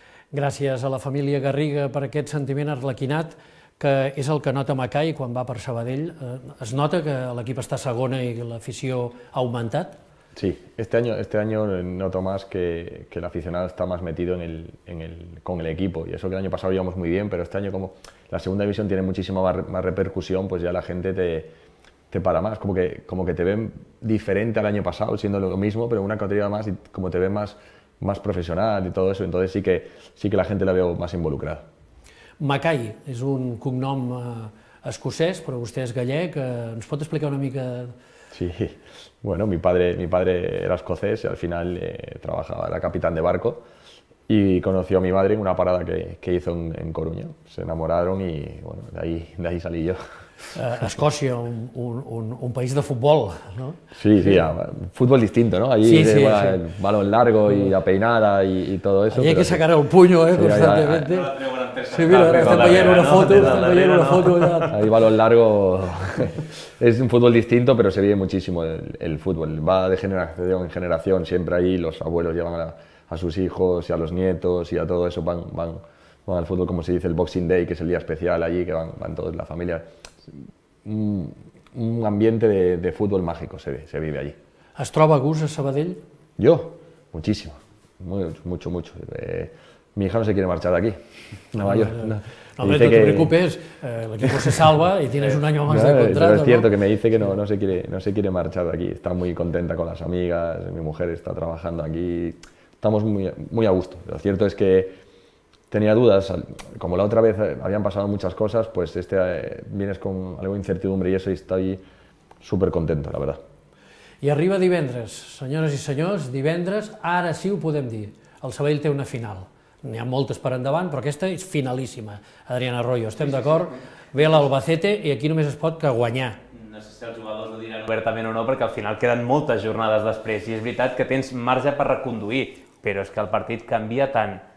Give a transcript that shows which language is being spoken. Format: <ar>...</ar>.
<ca>Gràcies a la família Garriga per aquest sentiment arlequinat, que és el que nota Macay quan va per Sabadell. Es nota que l'equip està segona i l'afició ha augmentat?</ca> <es>Sí, este año noto más que el aficionado está más metido con el equipo. Y eso que el año pasado íbamos muy bien, pero este año como la segunda división tiene muchísima más repercusión, pues ya la gente te para más. Como que te ven diferente al año pasado, siendo lo mismo, pero una categoría más y como te ven más profesional y todo eso, entonces sí que la gente la veo más involucrada.</es> <ca>Macay és un cognom escocès, però vostè és gallec. Ens pot explicar una mica?</ca> <es>Sí, bueno, mi padre era escocès y al final trabajaba, era capitán de barco y conoció a mi madre en una parada que hizo en Coruña. Se enamoraron y bueno, de ahí salí yo.</es> <ca>Escòcia, un país de futbol, no?</ca> <es>Sí, sí, futbol distinto, no? Allí sí, sí, sí. El balón largo y la peinada y todo eso. Allí hay que sacar el puño, constantemente. Sí,</es> <ca>mira, estem veient una foto, estem veient una foto.</ca> <es>Allí balón largo... Es un futbol distinto, pero se vive muchísimo el futbol. Va de generación en generación, siempre ahí los abuelos llevan a sus hijos y a los nietos y a todo eso. Van al futbol, como se dice, el Boxing Day, que es el día especial allí, que van todos, la familia... Un ambiente de fútbol mágico se vive allí.</es> <ca>¿Es troba a gust a Sabadell?</ca> <es>Yo, muchísimo, mucho, mucho. Mi hija no se quiere marchar de aquí. No, hombre, no te preocupes, el equipo se salva y tienes un año más de contrato. Es cierto, ¿no? Que me dice que no se quiere marchar de aquí. Está muy contenta con las amigas, mi mujer está trabajando aquí. Estamos muy, muy a gusto. Lo cierto es que tenía dudas, como la otra vez habían pasado muchas cosas, pues este vienes con algo de incertidumbre y eso, y estoy súper contento, la verdad.</es> <ca>I arriba divendres, senyores i senyors, divendres, ara sí ho podem dir, el Sabadell té una final. N'hi ha moltes per endavant, però aquesta és finalíssima, Adrián Arroyo, estem d'acord? Ve l'Albacete i aquí només es pot que guanyar. No sé si els jugadors ho diran obertament o no, perquè al final queden moltes jornades després i és veritat que tens marge per reconduir, però és que el partit canvia tant</ca>